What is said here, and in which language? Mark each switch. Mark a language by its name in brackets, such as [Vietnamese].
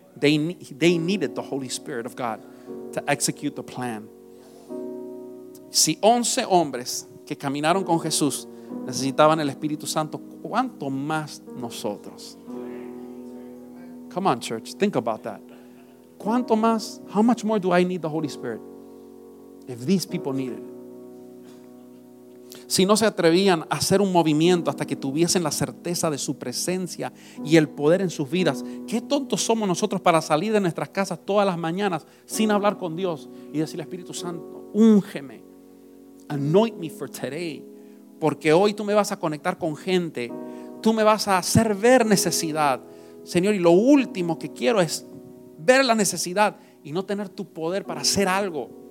[English] They needed the Holy Spirit of God to execute the plan. [Spanish] Si 11 hombres que caminaron con Jesús necesitaban el Espíritu Santo, ¿cuánto más nosotros? [English] Come on, church, think about that. [Spanish] ¿Cuánto más? [English] How much more do I need the Holy Spirit if these people need it? [Spanish] Si no se atrevían a hacer un movimiento hasta que tuviesen la certeza de su presencia y el poder en sus vidas, ¿qué tontos somos nosotros para salir de nuestras casas todas las mañanas sin hablar con Dios y decirle, Espíritu Santo, úngeme, [English] anoint me for today, [Spanish] porque hoy tú me vas a conectar con gente, tú me vas a hacer ver necesidad, Señor, y lo último que quiero es ver la necesidad y no tener tu poder para hacer algo?